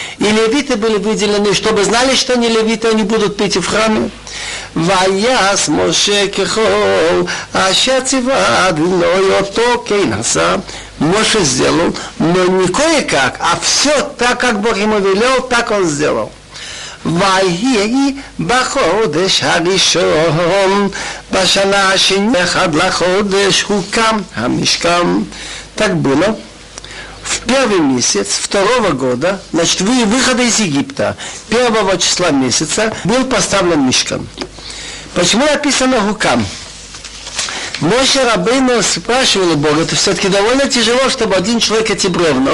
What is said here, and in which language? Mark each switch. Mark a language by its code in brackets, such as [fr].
[ru] И левиты были выделены, чтобы знали, что они левиты, они будут пить в храме. [he] Ваяс Моше кехол, аше цива адной ото кейнаса. [ru] Моше сделал, но не кое-как, а все так, как Бог ему велел, так он сделал. [he] ויהי בחודש הראשון בשנה השנייה עד לחודש הוקם המשכן. [ru] Так было. В первый месяц второго года, значит, выхода из Египта, первого числа месяца, был поставлен мешкан. Почему написано «Хукам»? Моше Рабейну спрашивал у Бога, это все-таки довольно тяжело, чтобы один человек эти бревна.